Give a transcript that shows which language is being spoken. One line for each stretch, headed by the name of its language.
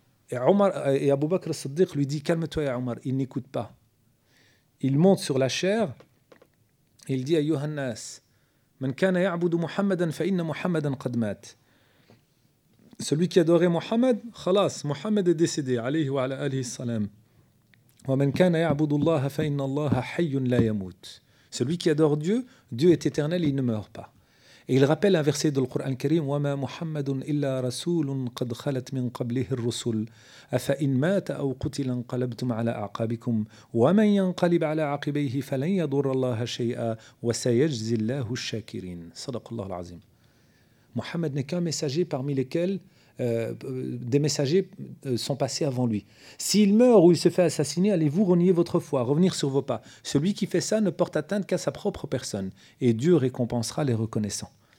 French: Et Abu Bakr Siddiq lui dit: calme-toi ya Omar, il n'écoute pas. Il monte sur la chair, il dit à Yohannas:
Arabic: من كان يعبد محمدا فإن محمدا قد مات.
French: Celui qui adorait Mohammed, خلاص, Mohammed est décédé,
Arabic: عليه وعلى آله السلام. ومن كان يعبد الله فإن الله حي لا يموت.
French: Celui qui adore Dieu, Dieu est éternel, il ne meurt pas. Et il rappelle un verset du Coran Karim:
Arabic: وما محمد إلا رسول قد خلت من قبله الرسل أفإن مات أو قتل انقلبتم على أعقابكم ومن ينقلب على عقبيه فلن يضر الله شيئا وسيجزي الله الشاكرين. صدق الله العظيم.
French: Mohammed n'est qu'un messager parmi lesquels des messagers sont passés avant lui. S'il meurt ou il se fait assassiner, allez-vous renier votre foi, revenir sur vos pas. Celui qui fait ça ne porte atteinte qu'à sa propre personne. Et Dieu récompensera les reconnaissants.